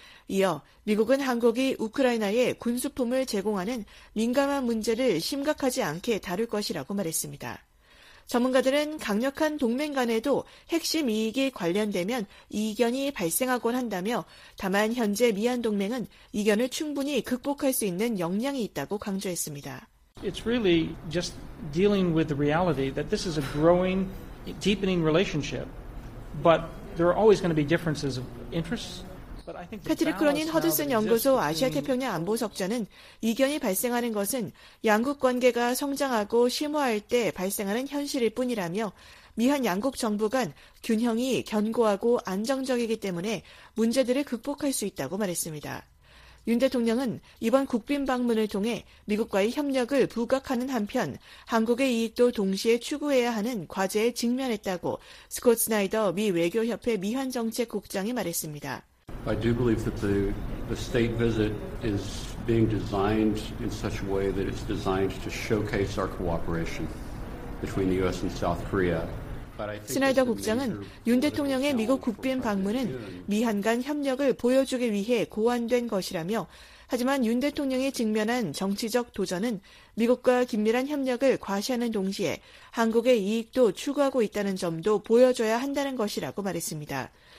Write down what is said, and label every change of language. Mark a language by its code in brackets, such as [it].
[ko] 이어 미국은 한국이 우크라이나에 군수품을 제공하는 민감한 문제를 심각하지 않게 다룰 것이라고 말했습니다. 전문가들은 강력한 동맹 간에도 핵심 이익이 관련되면 이견이 발생하곤 한다며 다만 현재 미한 동맹은 이견을 충분히 극복할 수 있는 역량이 있다고 강조했습니다. [en] It's really just dealing with the reality that this is a growing, deepening relationship. But there are always going to be differences of interests. [ko] 패트릭 크로닌 허드슨 연구소 아시아태평양 안보석좌는 이견이 발생하는 것은 양국 관계가 성장하고 심화할 때 발생하는 현실일 뿐이라며 미한 양국 정부 간 균형이 견고하고 안정적이기 때문에 문제들을 극복할 수 있다고 말했습니다. 윤 대통령은 이번 국빈 방문을 통해 미국과의 협력을 부각하는 한편 한국의 이익도 동시에 추구해야 하는 과제에 직면했다고 스콧 스나이더 미 외교협회 미한정책국장이 말했습니다. [en] I do believe that the state visit is being designed in such a way that it's designed to showcase our cooperation between the U.S. and South Korea. [ko] 스나이더 국장은 윤 대통령의 미국 국빈 방문은 미한 간 협력을 보여주기 위해 고안된 것이라며 하지만 윤 대통령이 직면한 정치적 도전은 미국과 긴밀한 협력을 과시하는 동시에 한국의 이익도 추구하고 있다는 점도 보여줘야 한다는 것이라고 말했습니다.